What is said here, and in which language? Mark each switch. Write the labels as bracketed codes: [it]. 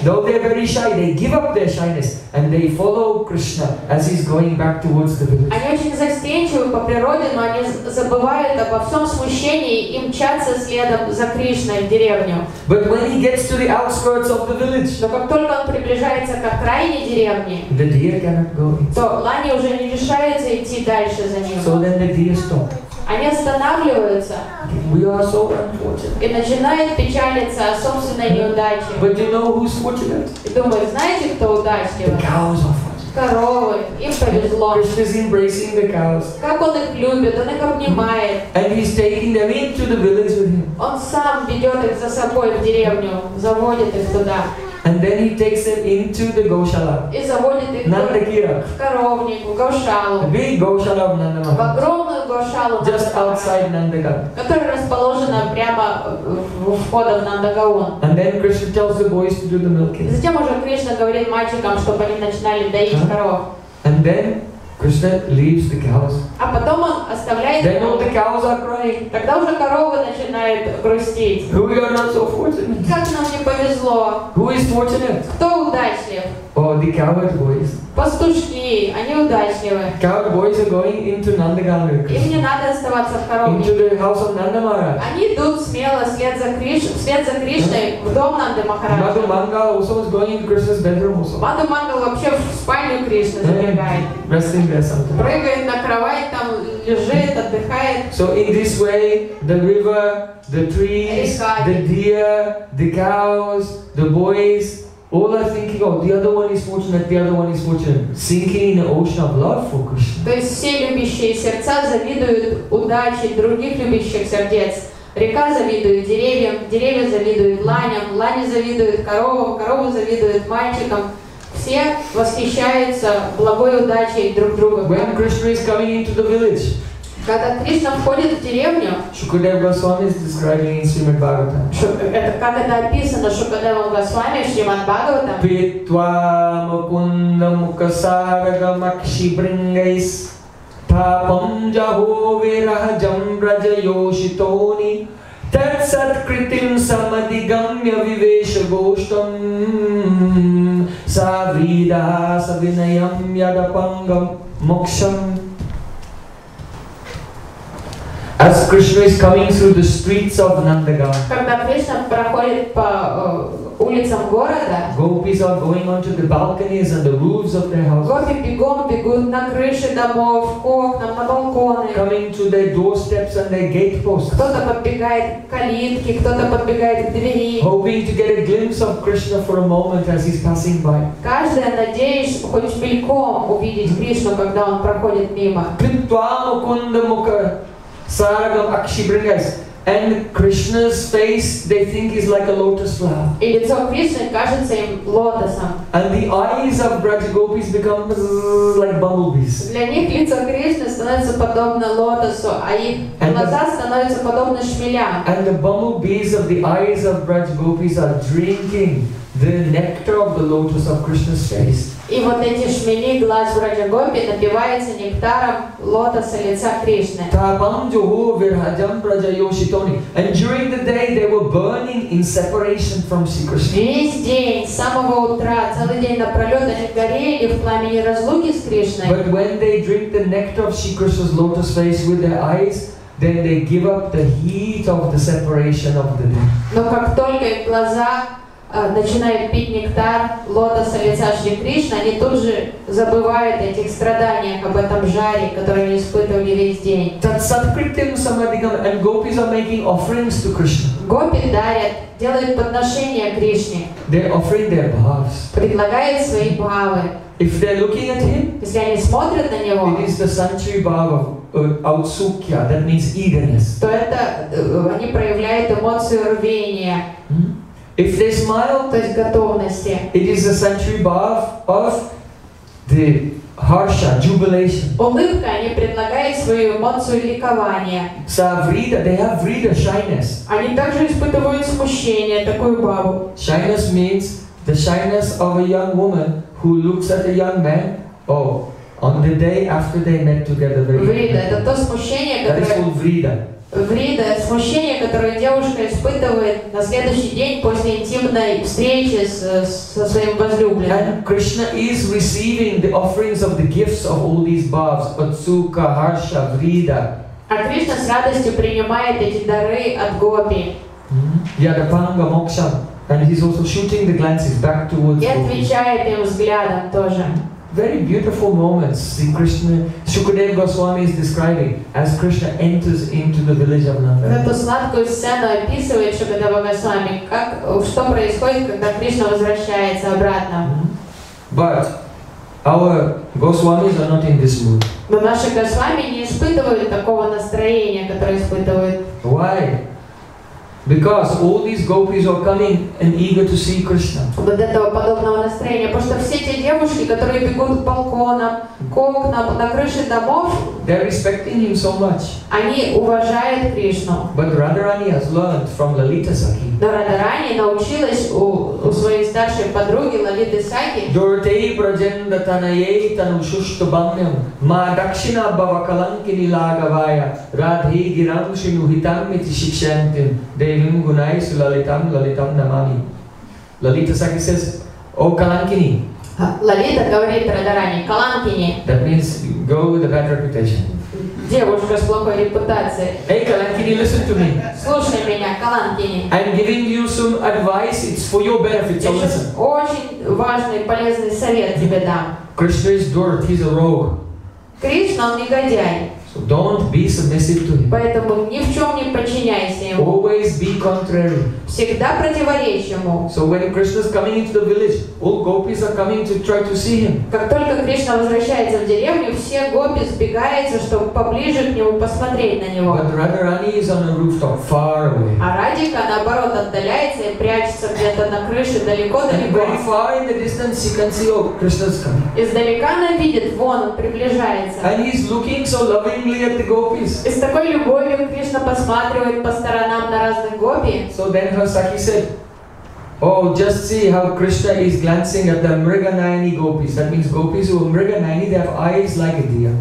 [en] Though they are very shy, they give up their shyness and they follow Krishna as he's going back towards the village. [ru] Они очень застенчивы по природе, но они забывают обо всем смущении и мчатся следом за Кришной в деревню. [en] But when he gets to the outskirts of the village. [ru] Но как только он приближается к окраине деревни. [en] The deer cannot go. [ru] То лани уже не решается идти дальше за ним. [en] So then the deer stop. [ru] Они останавливаются. [en] We are so unfortunate. [ru] И начинают печалиться о собственной неудаче. [en] But you know who's fortunate? [ru] И думают, знаете, кто удачливый? Коровы, [en] Krishna is embracing the cows. [ru] Как он их любит, он их обнимает. [en] And he's taking them into the village with him. [ru] Он сам ведет их за собой в деревню, заводит их туда. [en] And then he takes them into the goshala. [ru] И заводит их на Нандакира. В коровнику, гошалу. [en] A big goshala of Nandaka. [ru] В огромную гошалу. [en] Just outside Nandaka. [ru] Которая расположена прямо у входа в Нандагаун. [en] And then Krishna tells the boys to do the milking. [ru] Затем уже Кришна говорит мальчикам, чтобы они начинали доить коров. [en] And then Krishna leaves the cows. [ru] А потом он оставляет. [en] Then all the cows are crying. [ru] Тогда уже коровы начинают грустить. [en] Who are not so fortunate? [ru] Как нам не повезло? [en] Who is fortunate? [ru] Кто удачлив? [en] Oh, the coward boys. [ru] Пастушки, они удачливы. [en] Coward boys are going into Nandagala. [ru] Им не надо оставаться в коровнике. [en] Into the house of Nandamara. [ru] Они идут смело вслед за Кришной в дом Нанды Махараджа. [en] Madhu Mangala also was going into Krishna's bedroom also. [ru] Madhu Mangala вообще в спальню Кришны забегает. [en] Resting there sometimes. [ru] Прыгает на кровать, там лежит, отдыхает. [en] So in this way, the river, the trees, the deer, the cows, the boys, all are thinking, oh, the other one is fortunate, the other one is fortunate. Sinking in an ocean of love for Krishna. [ru] То есть все любящие сердца завидуют удаче других любящих сердец. Река завидует деревьям, деревья завидуют ланям, лани завидуют коровам, коровы завидуют мальчикам. Все восхищаются благой удачей друг друга. [en] When Krishna is coming into the village, [ru] когда Кришна входит в деревню, [en] Шукадева Госвами describing in Shrimad Bhagavatam. [ru] Как это описано Шукадевом Госвами в Шримад Бхагаватам? [sa] Питва мукунда мукасарага макши брингайс тапам джаху вирахам раджа йошитони тетсат критим самади гамья вивеша гоштам савридаса винаям ядапангам мокшам. [en] As Krishna is coming through the streets of Nandagaon, [ru] когда Кришна проходит по улицам города, [en] gopis are going onto the balconies and the roofs of their houses. [ru] Гопи бегом бегут на крыши домов, к окнам, на балконы. [en] Coming to their doorsteps and their gateposts. [ru] Кто-то подбегает к калитке, кто-то подбегает к двери. [en] Hoping to get a glimpse of Krishna for a moment as he's passing by. [ru] Каждая надеясь хоть мельком увидеть Кришну, когда он проходит мимо. [sa] Питвама кунда мука Sarakam Akshibringas. [en] And Krishna's face, they think, is like a lotus flower. [ru] И лицо Кришны кажется им лотосом. [en] And the eyes of Braj Gopis become like bumblebees. [ru] Для них лицо Кришны становится подобно лотосу, а их глаза становятся подобны шмелям. [en] And the bumblebees of the eyes of Braj Gopis are drinking the nectar of the lotus of Krishna's face. [ru] И вот эти шмели глаз Враджа Гопи напиваются нектаром лотоса лица Кришны. [sa] Тапам джуху вирхаджам раджа йошитони. [en] And during the day they were burning in separation from Sri Krishna. [ru] Весь день, с самого утра, целый день напролет они горели в пламени разлуки с Кришной. [en] But when they drink the nectar of Sri Krishna's lotus face with their eyes, then they give up the heat of the separation of the day. [ru] Но как только их глаза начинают пить нектар лотоса лица Шри Кришны, они тут же забывают о этих страданиях, об этом жаре, который они испытывали весь день. [sa] Tatsatkritim samadigam, [en] and gopis are making offerings to Krishna. [ru] Гопи дарят, делают подношения Кришне. [en] They're offering their bhavas. [ru] Предлагают свои бхавы. [en] If they're looking at him, [ru] если они смотрят на него, [en] it is the sanctuary bhava. Аутсукья, that means eagerness. [ru] То это они проявляют эмоцию рвения. [en] If they smile, [ru] то есть готовности, [en] it is a sanctuary bath of the harsha, jubilation. [ru] Улыбка, они предлагают свою эмоцию ликования. [en] Саврида, they have врида, shyness. [ru] Они также испытывают смущение, такую бабу. [en] Shyness means the shyness of a young woman who looks at a young man, oh, on the day after they met together. [ru] Врида, это то смущение, которое... [en] That is called врида. [ru] Врида – смущение, которое девушка испытывает на следующий день после интимной встречи со своим возлюбленным. [en] And Krishna is receiving the offerings of the gifts of all these bhavs – Atsuka, Harsha, Vrida. [ru] А Кришна с радостью принимает эти дары от Гопи. [sa] Ядапанга, Мокшан. [en] And he's also shooting the glances back towards [ru] Гопи. И отвечает им взглядом тоже. [en] very beautiful moments in Krishna. Shukadeva Goswami is describing as Krishna enters into the village of Nanda. [ru] Эту сладкую сцену описывает Шукадева Госвами, как что происходит, когда Кришна возвращается обратно. [en] But our Goswamis are not in this mood. [ru] Но наши Госвами не испытывают такого настроения, которое испытывают. [en] Why? Because all these gopis are coming and eager to see Krishna. [ru] Вот этого подобного настроения, потому что все те девушки, которые бегут к балконам, к окнам, на крыши домов, [en] they're respecting him so much. [ru] Они уважают Кришну. [en] But Radharani has learned from Lalita Sakhi. [ru] Но Радхарани научилась у своей старшей подруги Лалиты Сакхи. [sa] Дуртей брадженда танаей танушушту бамням ма дакшина бавакаланкини лагавая радхи гирам шину хитаммити шикшантин девим гунайсу лалитам лалитам намами. [en] Лалита Сакхи says, О Каланкини. [ru] Лалита говорит Радхарани, Каланкини. [en] That means go with a bad reputation. [ru] Девушка с плохой репутацией. [en] Hey, Каланкини, listen to me. [ru] Слушай меня, Каланкини. [en] I'm giving you some advice. It's for your benefit. So listen. [ru] Очень важный, полезный совет тебе дам. [en] Krishna is dirt. He's a rogue. [ru] Кришна, он негодяй. [en] So don't be submissive to him. [ru] Поэтому ни в чем не подчиняйся ему. [en] Always be contrary. [ru] Всегда противоречь ему. [en] So when Krishna is coming into the village, all gopis are coming to try to see him. [ru] Как только Кришна возвращается в деревню, все гопи сбегаются, чтобы поближе к нему посмотреть на него. [en] But Radharani is on a rooftop, far away. [ru] А Радика, наоборот, отдаляется и прячется где-то на крыше далеко-далеко. [en] And very far in the distance, she can see, oh, Krishna's coming. [ru] Издалека она видит, вон он приближается. [en] And he's looking so lovingly at the gopis. [ru] И с такой любовью Кришна посматривает по сторонам на разных гопи. [en] So then her Sakhi said, oh, just see how Krishna is glancing at the Mriganayani gopis. That means gopis who are Mriganayani, they have eyes like a deer.